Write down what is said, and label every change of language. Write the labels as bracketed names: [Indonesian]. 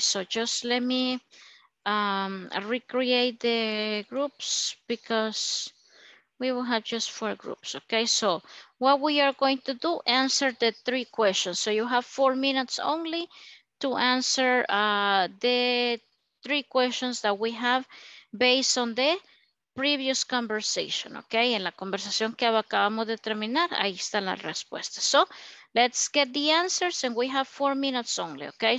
[English] So just let me recreate the groups because we will have just four groups, okay? So what we are going to do, answer the three questions. So you have 4 minutes only to answer the three questions that we have based on the previous conversation, okay? [Spanish] En la conversación que acabamos de terminar, ahí están las respuestas. [English] So let's get the answers and we have 4 minutes only, okay?